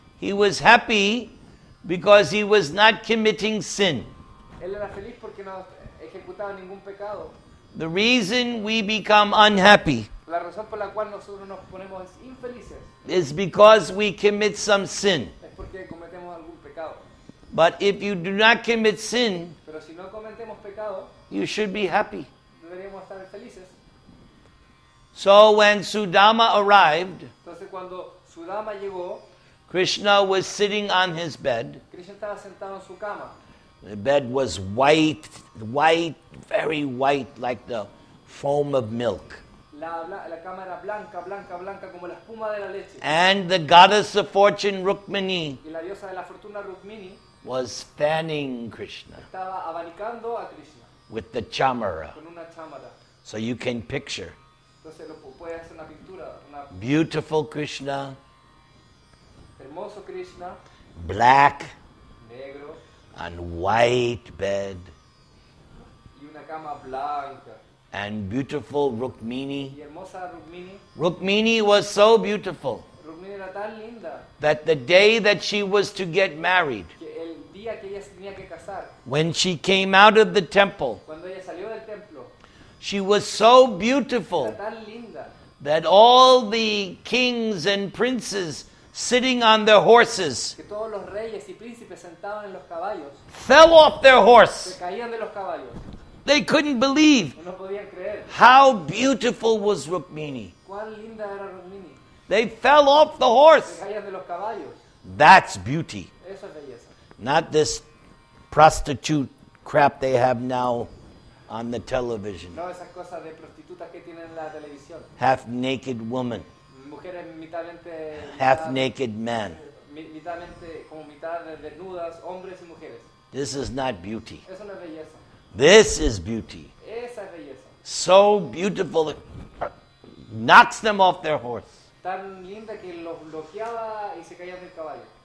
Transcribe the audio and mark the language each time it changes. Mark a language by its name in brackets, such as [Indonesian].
[English] He was happy because he was not committing sin. [Spanish] Él era feliz porque no ejecutaba ningún pecado. [English] The reason we become unhappy, [Spanish] la razón por la cual nosotros nos ponemos infelices, [English] is because we commit some sin. [Spanish] Es porque cometemos algún pecado. [English] But if you do not commit sin, [Spanish] pero si no cometemos pecado, [English] you should be happy. [Spanish] Deberíamos estar felices. [English] So when Sudama arrived, [Spanish] entonces cuando Sudama llegó, [English] Krishna was sitting on his bed. [Spanish] Krishna estaba sentado en su cama. [English] The bed was white, white, very white, like the foam of milk. [Spanish] La cama era blanca, blanca, blanca, como la espuma de la leche. [English] And the goddess of fortune, Rukmini, [Spanish] y la diosa de la fortuna, Rukmini, [English] was fanning Krishna. [Spanish] Estaba abanicando a Krishna. [English] With the chamara. [Spanish] Con una chamara. [English] So you can picture. [Spanish] Entonces lo puedes hacer una pintura. [English] Beautiful Krishna. [Spanish] Hermoso Krishna. [English] Black. [Spanish] Negro. [English] And white bed. [Spanish] Y una cama blanca. [English] And beautiful Rukmini. [Spanish] Y hermosa Rukmini. [English] Rukmini was so beautiful. [Spanish] Rukmini era tan linda. [English] That the day that she was to get married. [Spanish] Que el día que ella se tenía que casar. [English] When she came out of the temple. [Spanish] Cuando ella salió del templo. [English] She was so beautiful. [Spanish] Era tan linda. [English] That all the kings and princes sitting on their horses, [Spanish] que todos los reyes y príncipes sentaban en los caballos, [English] fell off their horse. [Spanish] Se caían de los caballos. [English] They couldn't believe. [Spanish] No podían creer. [English] How beautiful was Rukmini. [Spanish] ¿Cuál linda era Rukmini? [English] They fell off the horse. [Spanish] Se caían de los caballos. [English] That's beauty. [Spanish] Eso es belleza. [English] Not this prostitute crap they have now on the television. [Spanish] No, esas cosas de prostitutas que tienen en la televisión. [English] Half naked woman. [Spanish] mujeres mitadmente [English] half naked men. [Spanish] Mitadmente como mitad desnudas, hombres y mujeres. [English] This is not beauty. [Spanish] Eso no es belleza. [English] This is beauty. [Spanish] Esa es belleza. [English] So beautiful it knocks them off their horse. [Spanish] Tan linda que los bloqueaba y se caían del caballo.